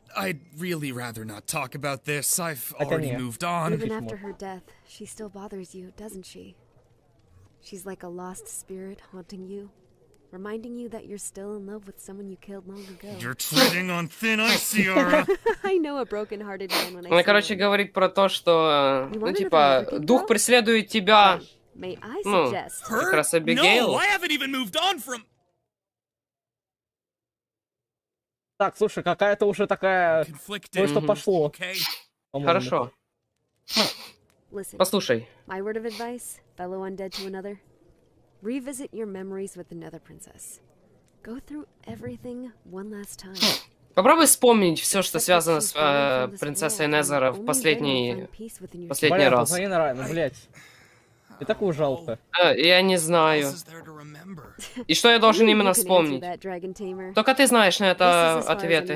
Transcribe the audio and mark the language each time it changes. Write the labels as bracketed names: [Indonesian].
[English] I'd really rather not talk about this. I've already moved on. Even after her death, she still bothers you, doesn't she? She's like a lost spirit haunting you. Reminding you that you're still in love with someone you killed long ago. You're treading on thin ice, Ciara. I know a broken-hearted man when I see him. [Russian] Короче, говорит про то, что, ну, типа, дух преследует тебя. [English] May I suggest? [Russian] Ну, как раз Эбигейл. [English] No, I haven't even moved on from... [Russian] Так, слушай, какая-то уже такая... Конфликтная. Ну, что пошло. Хорошо. Послушай. [English] My word of advice, fellow undead to another. Revisit your memories with the Nether Princess. Go through everything one last time. [Russian] Попробуй вспомнить все, что связано с принцессой Незера в последний раз. Блин, посмотри на Райана, блядь. Мне такого жалко. Я не знаю. И что я должен именно вспомнить? Только ты знаешь на это ответы.